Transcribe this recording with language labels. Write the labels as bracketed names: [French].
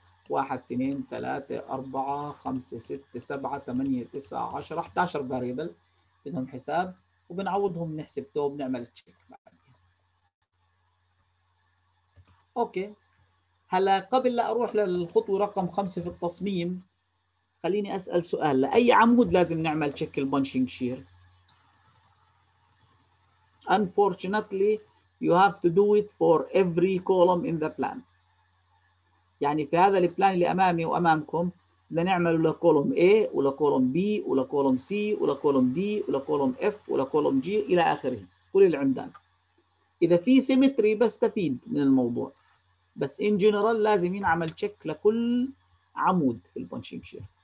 [Arabic] 1 2 3 4 5 6 7 8 9 10 11 فاريبل بدهم حساب، وبنعوضهم بنحسب تو بنعمل تشيك بعدين. اوكي، هلا قبل لا اروح للخطوه رقم 5 في التصميم، خليني اسال سؤال. لاي عمود لازم نعمل تشيك البنشنج شير؟ [English] Unfortunately you have to do it for every column in the plan. [Arabic] يعني في هذا البلان اللي امامي وامامكم لنعمله لكولوم A ولكولوم B ولكولوم C ولكولوم D ولكولوم F ولكولوم G إلى آخره، كل اللي عندنا. إذا في سيمتري بستفيد من الموضوع، بس إن جنرال لازم ينعمل تشيك لكل عمود في البنشنج شير.